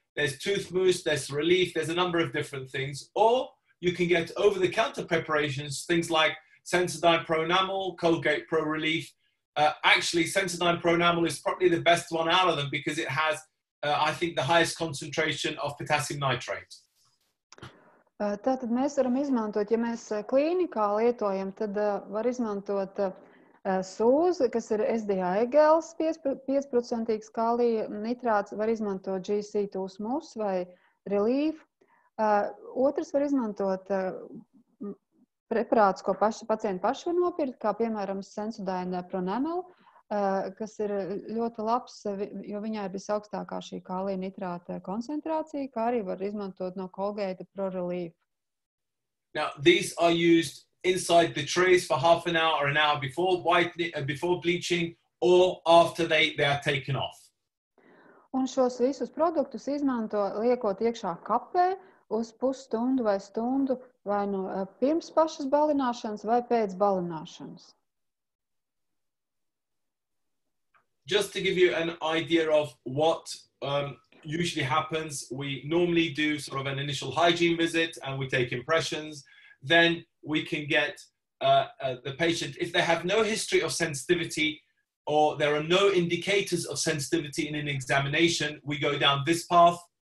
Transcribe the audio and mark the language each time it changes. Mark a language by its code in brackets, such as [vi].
[en] There's tooth mousse, there's relief, there's a number of different things. Or you can get over-the-counter preparations, things like Sensodyne Pro Enamel, Colgate Pro Relief. Actually, Sensodyne Pro Enamel is probably the best one out of them because it has, I think, the highest concentration of potassium nitrate. [lv] Tātad mēs varam izmantot, ja mēs klīnikā lietojam, tad var izmantot sūz, kas ir SDI gels, 5% kālija nitrāts, var izmantot GC tūs mūs vai relief. Otrs var izmantot preparāts, ko pacienti paši var nopirkt, kā piemēram Sensodyne Pro Enamel, kas ir ļoti labs, jo viņā ir visaugstākā šī kālija nitrāta koncentrācija, kā arī var izmantot no Colgate Pro Relief. [en] Now, these are used inside the trays for half an hour or an hour before whitening, before bleaching or after they are taken off. [lv] Un šos visus produktus izmanto liekot iekšā kapē uz pusstundu vai stundu vai no pirms pašas balināšanas vai pēc balināšanas. [en] Just to give you an idea of what usually happens, we normally do sort of an initial hygiene visit and we take impressions. Then we can get the patient, if they have no history of sensitivity or there are no indicators of sensitivity in an examination, we go down this path.